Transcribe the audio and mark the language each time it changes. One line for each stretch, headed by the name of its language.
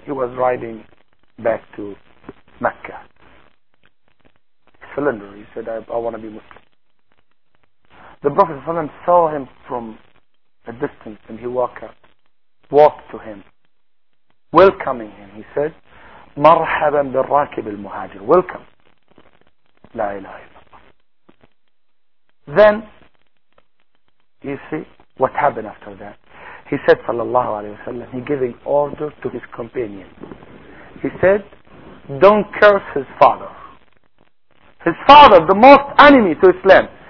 English: He was riding back to Mecca. Cylinder. He said, I want to be Muslim. The Prophet ﷺ saw him from a distance and he walked to him, welcoming him. He said,
Arabic: مرحبا بالراكب المهاجر.
English: Welcome.
Arabic: لا إله إلا الله.
English: Then, you see what happened after that. He said, sallallahu alayhi wa sallam, he giving order to his companion. He said, don't curse his father. His father, the most enemy to Islam.